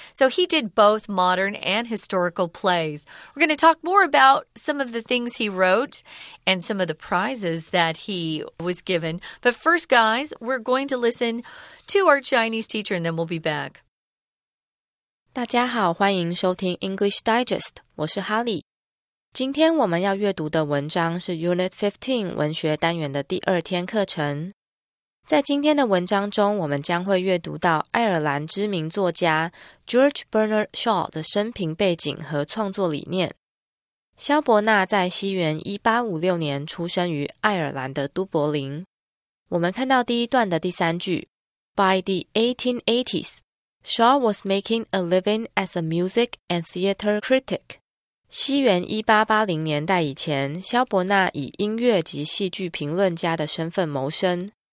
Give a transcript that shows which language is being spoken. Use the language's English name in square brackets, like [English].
[English] So he did both modern and historical plays. We're going to talk more about some of the things he wrote and some of the prizes that he was given. But first, guys, we're going to listen to our Chinese teacher and then we'll be back. [Chinese] 大家好，欢迎收听 English Digest， 我是哈利。今天我们要阅读的文章是 Unit 15 文学单元的第二天课程。在今天的文章中，我们将会阅读到爱尔兰知名作家 George Bernard Shaw 的生平背景和创作理念。萧伯纳在西元1856年出生于爱尔兰的都柏林。我们看到第一段的第三句 [English] By the 1880s, Shaw was making a living as a music and theater critic. [Chinese] 西元1880年代以前，萧伯纳以音乐及戏剧评论家的身份谋生。